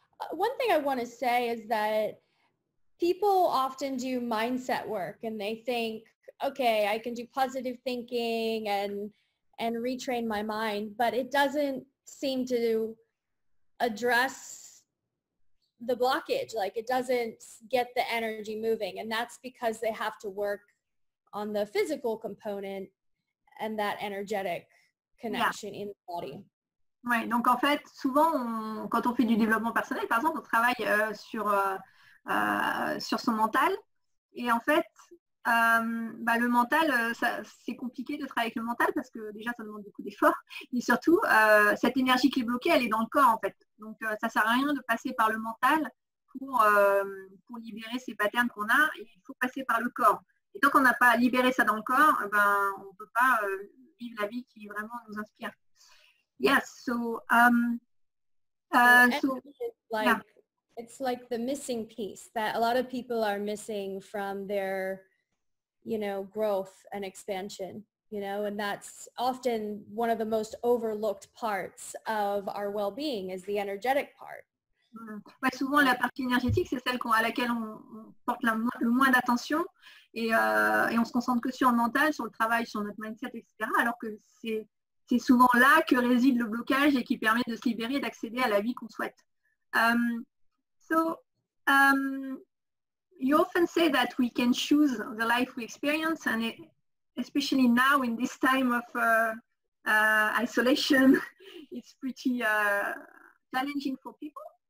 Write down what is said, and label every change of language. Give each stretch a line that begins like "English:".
English: One thing I want to say is that people often do mindset work and they think, okay, I can do positive thinking and retrain my mind, but it doesn't seem to address the blockage, like it doesn't get the energy moving, and that's because they have to work on the physical component and that energetic connection in the body.
French: Oui, donc en fait, souvent, quand on fait du développement personnel, par exemple, on travaille sur son mental, et en fait, le mental, c'est compliqué de travailler avec le mental parce que déjà ça demande beaucoup d'efforts, et surtout cette énergie qui est bloquée, elle est dans le corps en fait, donc ça sert à rien de passer par le mental pour libérer ces patterns qu'on a, il faut passer par le corps, et tant qu'on n'a pas libéré ça dans le corps, on ne peut pas vivre la vie qui vraiment nous inspire.
English: Yes, yeah, so, it's like the missing piece that a lot of people are missing from their, you know, growth and expansion, you know, and that's often one of the most overlooked parts of our well-being is the energetic part. Mm.
French: Ouais, souvent la partie énergétique, c'est celle à laquelle on porte le moins d'attention, et on se concentre que sur le mental, sur le travail, sur notre mindset, etc. Alors que c'est souvent là que réside le blocage et qui permet de se libérer, d'accéder à la vie qu'on souhaite.
English: So you often say that we can choose the life we experience, and it, especially now in this time of isolation, it's pretty challenging for people.